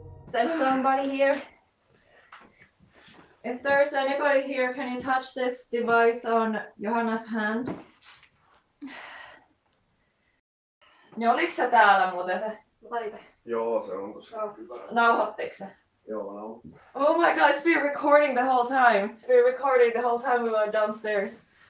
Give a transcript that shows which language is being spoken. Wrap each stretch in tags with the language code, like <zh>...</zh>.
<en>There's somebody here. If there's anybody here, can you touch this device on Johanna's hand?</en> <fi>Niin oliks se täällä muuten se? Joo, se on tossa. Oh. Nauhoittiks se? Joo, nauhoit.</fi> <en>Oh my god, it's been recording the whole time. It's been recording the whole time we were downstairs.</en>